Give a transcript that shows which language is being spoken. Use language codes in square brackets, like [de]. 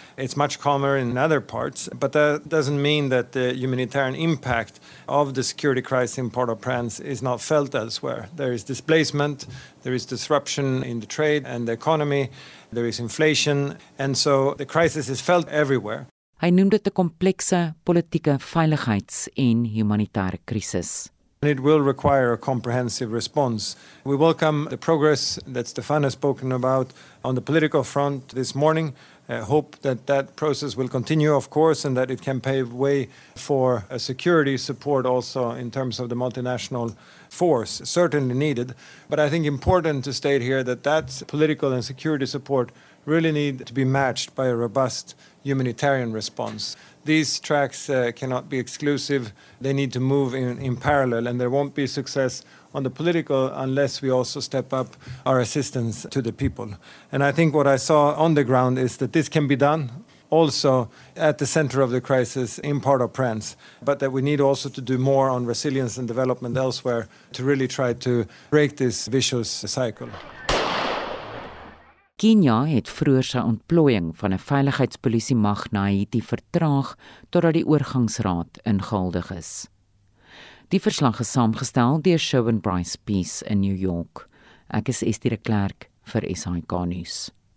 [en] It's much calmer in other parts, but that doesn't mean that the humanitarian impact of the security crisis in Port-au-Prince is not felt elsewhere. There is displacement, there is disruption in the trade and the economy, there is inflation, and so the crisis is felt everywhere. [af] Hy noem dit 'n komplekse politieke veiligheids- en humanitêre krisis. [en] And it will require a comprehensive response. We welcome the progress that Stefan has spoken about on the political front this morning. Hope that that process will continue, of course, and that it can pave way for a security support also in terms of the multinational force, certainly needed. But I think important to state here that that political and security support really need to be matched by a robust humanitarian response. These tracks cannot be exclusive. They need to move in parallel, and there won't be success on the political unless we also step up our assistance to the people. And I think what I saw on the ground is that this can be done also at the center of the crisis in Port-au-Prince, but that we need also to do more on resilience and development elsewhere to really try to break this vicious cycle. [af] Kenia het vroeër sy ontplooiing van 'n veiligheidspolisiemag na Haiti vertraag totdat die oorgangsraad ingehuldig is. Die verslag is saamgestel deur Shawn Bryce Peace in New York. Ek is Estie de Klerk vir SAK News.